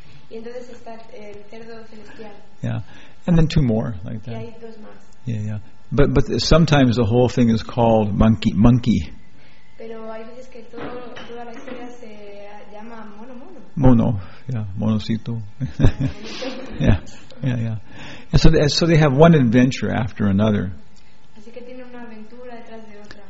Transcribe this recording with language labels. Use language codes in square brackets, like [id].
[es] Y entonces está el cerdo celestial. [en] Yeah, and then 2 more like that. [es] Y hay dos más. [en] Yeah, yeah. But sometimes the whole thing is called monkey. [es] Pero hay veces que toda la historia se llama mono. Mono, yeah, monocito. Yeah. [en] And so they have one adventure after another. [es] Así que tienen una aventura detrás de otra.